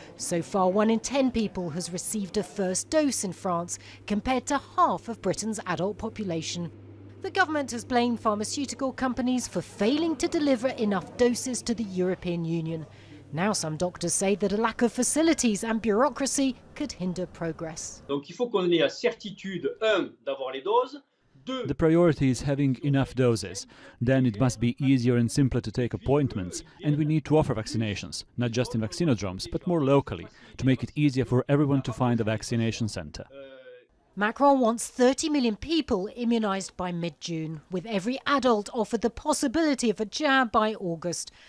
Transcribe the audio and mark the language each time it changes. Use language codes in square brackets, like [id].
[en] So far, 1 in 10 people has received a first dose in France, compared to half of Britain's adult population. The government has blamed pharmaceutical companies for failing to deliver enough doses to the European Union. Now some doctors say that a lack of facilities and bureaucracy could hinder progress. [fr] Donc il faut qu'on ait la certitude, d'avoir les doses. [en] The priority is having enough doses. Then it must be easier and simpler to take appointments. And we need to offer vaccinations, not just in vaccinodromes, but more locally, to make it easier for everyone to find a vaccination center. Macron wants 30 million people immunized by mid-June, with every adult offered the possibility of a jab by August.